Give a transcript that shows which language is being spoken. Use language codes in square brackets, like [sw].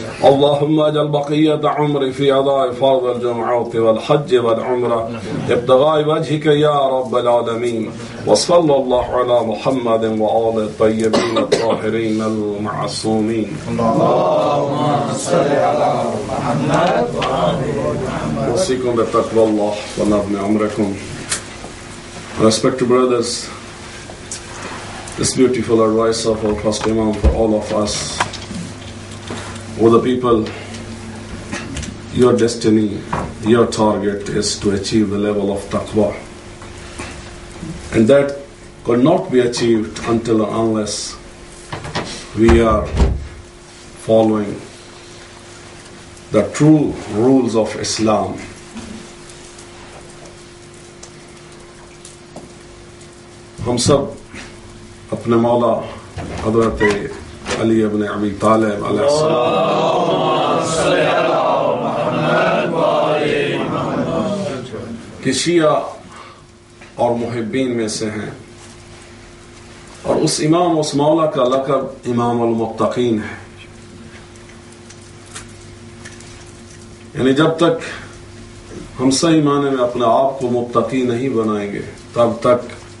[ar] اللهم اجعل بقيه عمري في اداء فرض الجمعه والحج والعمره ابتغاء وجهك يا رب العالمين وصلى الله على محمد وعلى الطيبين الطاهرين المعصومين اللهم صل على محمد وعلى محمد اوصيكم بتقوى الله ونظم امركم [en] Respected brothers, this beautiful advice of our first Imam for all of us, O the people, your destiny, your target is to achieve the level of taqwa. And that could not be achieved until and unless we are following the true rules of Islam. [ur] ہم سب اپنے مولا حضرت علی ابن ابی طالب علیہ السلام کی شیعہ اور محبین میں سے ہیں اور اس امام اس مولا کا لقب امام المتقین ہے یعنی جب تک ہم صحیح معنی میں اپنے آپ کو متقی نہیں بنائیں گے تب تک